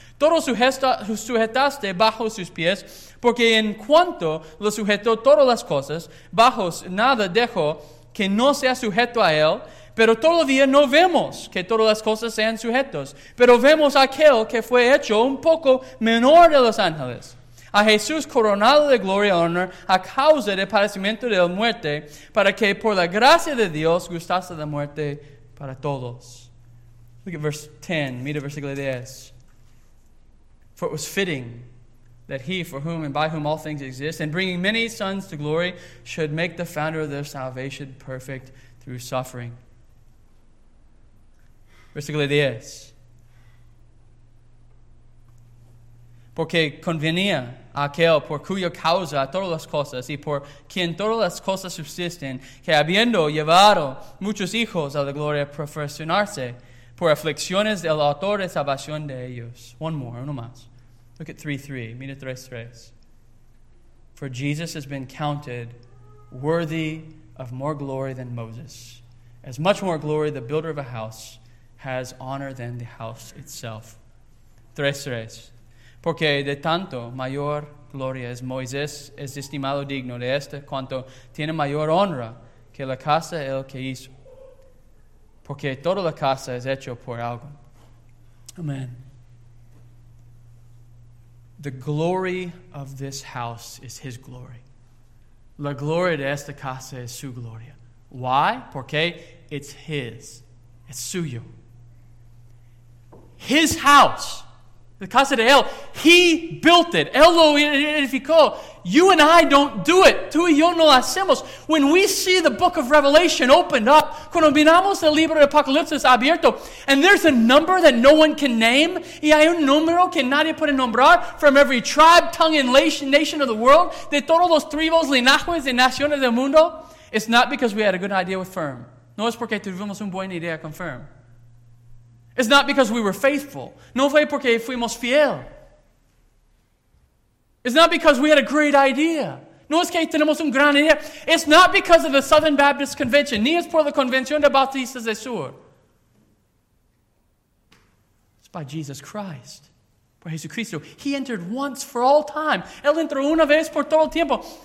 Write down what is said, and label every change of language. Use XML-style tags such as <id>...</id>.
<es>Todo sujetaste bajo sus pies, porque en cuanto lo sujetó todas las cosas, bajo nada dejó, que no sea sujeto a él, pero todavía no vemos que todas las cosas sean sujetos, pero vemos a aquel que fue hecho un poco menor de los ángeles, a Jesús coronado de gloria y honor a causa del padecimiento de la muerte, para que por la gracia de Dios gustase la muerte para todos.</es> <en>Look at verse 10,</en> <es>mira versículo 10.</es> <en>For it was fitting that he for whom and by whom all things exist, and bringing many sons to glory, should make the founder of their salvation perfect through suffering.</en> <es>Versículo 10. Porque convenía a aquel por cuya causa todas las cosas y por quien todas las cosas subsisten, que habiendo llevado muchos hijos a la gloria, perfeccionarse por aflicciones del autor de salvación de ellos.</es> <en>One more,</en> <es>uno más.</es> <en>Look at 3:3.</en> <es>Mira 3:3.</es> <en>For Jesus has been counted worthy of more glory than Moses. As much more glory the builder of a house has honor than the house itself. 3:3.</en> <es>Porque de tanto mayor gloria es Moisés es estimado digno de esta cuanto tiene mayor honra que la casa el que hizo. Porque toda la casa es hecho por algo. Amen.</es> <en>The glory of this house is his glory.</en> <es>La gloria de esta casa es su gloria.</es> <en>Why?</en> <es>Porque</es> <en>it's his.</en> <es>Es suyo.</es> <en>His house, the</en> <es>casa de él,</es> <en>he built it.</en> <es>Él lo edificó.</es> <en>You and I don't do it.</en> <es>Tú y yo no lo hacemos.</es> <en>When we see the book of Revelation opened up,</en> <es>cuando miramos el libro de Apocalipsis abierto,</es> <en>and there's a number that no one can name,</en> <es>y hay un número que nadie puede nombrar,</es> <en>from every tribe, tongue, and nation of the world,</en> <es>de todos los tribos, linajes y naciones del mundo,</es> <en>It's not because we had a good idea with firm.</en> <es>No es porque tuvimos una buena idea con firm.</es> <en>It's not because we were faithful.</en> <es>No fue porque fuimos fiel.</es> <en>It's not because we had a great idea.</en> <es>No es que tenemos una gran idea.</es> <en>It's not because of the Southern Baptist Convention.</en> <es>Ni es por la Convención de Bautistas del Sur.</es> <en>It's by Jesus Christ.</en> <es>Por Jesucristo.</es> <en>He entered once for all time.</en> <es>Él entró una vez por todo el tiempo.</es>